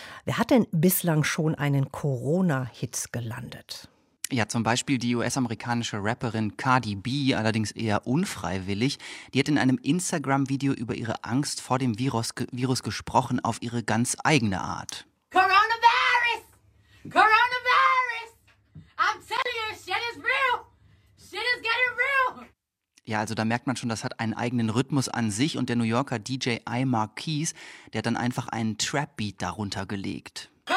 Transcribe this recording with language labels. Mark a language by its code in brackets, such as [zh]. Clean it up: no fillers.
[de] Wer hat denn bislang schon einen Corona-Hit gelandet? Ja, zum Beispiel die US-amerikanische Rapperin Cardi B, allerdings eher unfreiwillig. Die hat in einem Instagram-Video über ihre Angst vor dem Virus gesprochen, auf ihre ganz eigene Art. [en] Coronavirus! Coronavirus! I'm telling you, shit is real! Shit is getting real! [de] Ja, also da merkt man schon, das hat einen eigenen Rhythmus an sich und der New Yorker DJ I Marquise, der hat dann einfach einen Trap-Beat darunter gelegt.